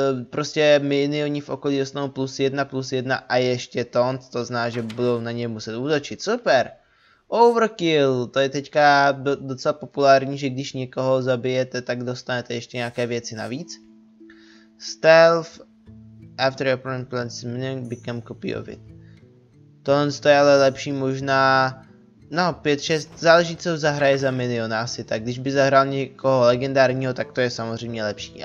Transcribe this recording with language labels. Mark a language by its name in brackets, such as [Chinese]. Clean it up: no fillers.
[Czech] prostě minioni v okolí dostanou +1/+1 a ještě taunt, to zná, že budou na ně muset útočit. Super! Overkill, to je teďka docela populární, že když někoho zabijete, tak dostanete ještě nějaké věci navíc. [English] Stealth, after your opponent plants minion, become copy of it. [Czech] To je ale lepší možná, no 5-6, záleží co zahraje za miniona asi, tak když by zahrál někoho legendárního, tak to je samozřejmě lepší.